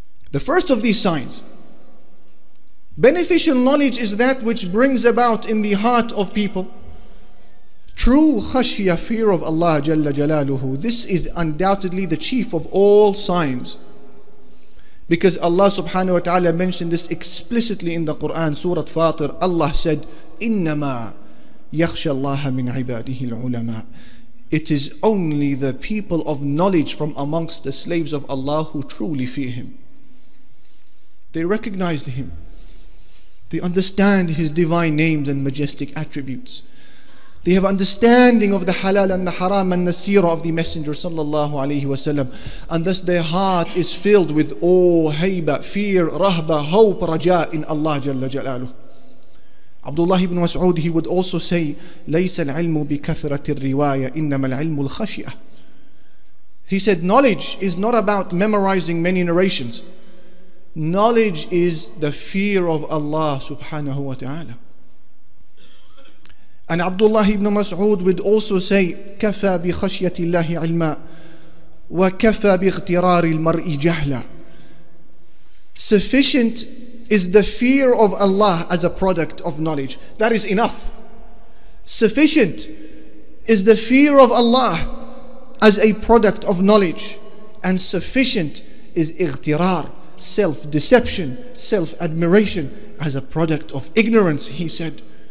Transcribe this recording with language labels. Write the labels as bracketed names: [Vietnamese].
[English] The first of these signs, beneficial knowledge is that which brings about in the heart of people true khashya, fear of Allah Jalla Jalaluhu. This is undoubtedly the chief of all signs, because Allah subhanahu wa ta'ala mentioned this explicitly in the Quran, Surah Fatir. Allah said, [Arabic] إِنَّمَا يَخْشَ اللَّهَ مِنْ عِبَادِهِ الْعُلَمَاء. [English] It is only the people of knowledge from amongst the slaves of Allah who truly fear Him. They recognized Him. They understand His divine names and majestic attributes. They have understanding of the halal and the haram and the seerah of the Messenger sallallahu alayhi wa sallam. And thus their heart is filled with awe, haybah, fear, rahbah, hope, raja in Allah jalla jalaluhu. Abdullah ibn Mas'ud, he would also say, [Arabic] لَيْسَ الْعِلْمُ بِكَثْرَةِ الرِّوَايَةِ إِنَّمَا الْعِلْمُ الْخَشِئَةِ. [English] He said, knowledge is not about memorizing many narrations. Knowledge is the fear of Allah subhanahu wa ta'ala. And Abdullah ibn Mas'ud would also say, [Arabic] كَفَى بِخَشْيَةِ اللَّهِ عِلْمًا وَكَفَى بِاغْتِرَارِ الْمَرْءِ جَهْلًا. [English] Sufficient is the fear of Allah as a product of knowledge. That is enough. Sufficient is the fear of Allah as a product of knowledge. And sufficient is اغْتِرَار, self-deception, self-admiration as a product of ignorance, he said.